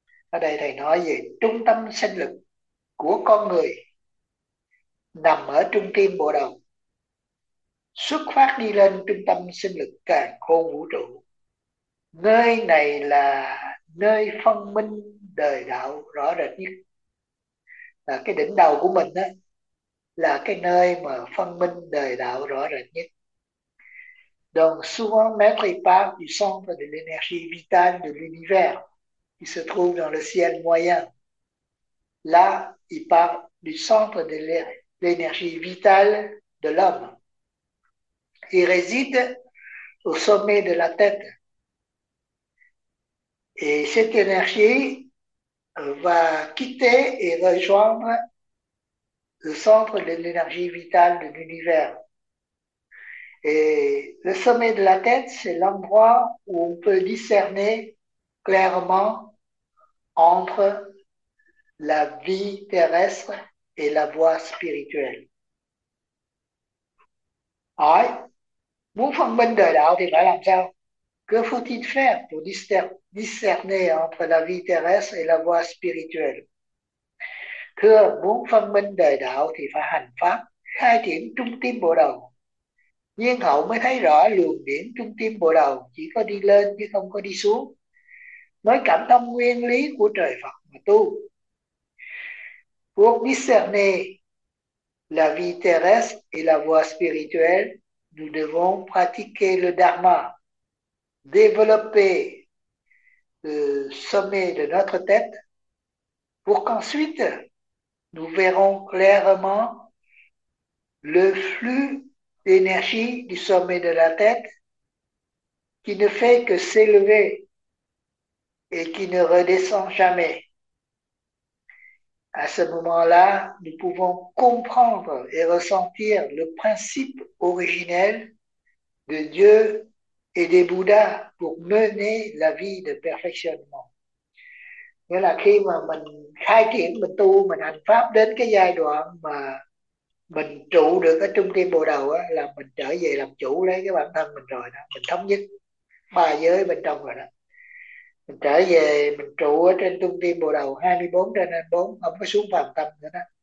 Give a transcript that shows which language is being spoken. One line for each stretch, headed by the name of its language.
Vietnamese: Ở đây thầy nói về trung tâm sinh lực của con người nằm ở trung tim bộ đầu, xuất phát đi lên trung tâm sinh lực càn khôn vũ trụ. Nơi này là nơi phân minh đời đạo rõ rệt nhất, là cái đỉnh đầu của mình đó, là cái nơi mà phân minh đời đạo rõ rệt nhất.
French: Donc souvent maître parle du centre de l'énergie vitale de l'univers qui se trouve dans le ciel moyen. Là, il parle du centre de l'énergie vitale de l'homme. Il réside au sommet de la tête. Et cette énergie va quitter et rejoindre le centre de l'énergie vitale de l'univers. Et le sommet de la tête, c'est l'endroit où on peut discerner clairement entre la vie terrestre et la voie spirituelle.
Vietnamese: Hỏi, muốn phân minh đời đạo thì phải làm sao?
French: Que faut-il faire pour discerner entre la vie terrestre et la voie spirituelle?
Vietnamese: Thưa, muốn phân minh đời đạo thì phải hành pháp, khai triển trung tâm bộ đầu. Nhiên hậu mới thấy rõ luồng điển trung tâm bộ đầu, chỉ có đi lên chứ không có đi xuống. Mới cảm thông nguyên lý của trời Phật mà tu.
French: Pour discerner la vie terrestre et la voie spirituelle, nous devons pratiquer le dharma, développer le sommet de notre tête, pour qu'ensuite nous verrons clairement le flux d'énergie du sommet de la tête qui ne fait que s'élever et qui ne redescend jamais. À ce moment-là, nous pouvons comprendre et ressentir le principe originel de Dieu et des Bouddhas pour mener la vie de perfectionnement.
Vietnamese: Nghĩa là khi mà mình khai triển, mình tu, mình hành pháp đến cái giai đoạn mà mình trụ được ở trung tâm bộ đầu á, là mình trở về làm chủ lấy cái bản thân mình rồi đó. Mình thống nhất ba giới bên trong rồi đó. Mình trở về mình trụ ở trên trung tâm bồ đầu 24 trên 24, không có xuống phàm tâm nữa đó.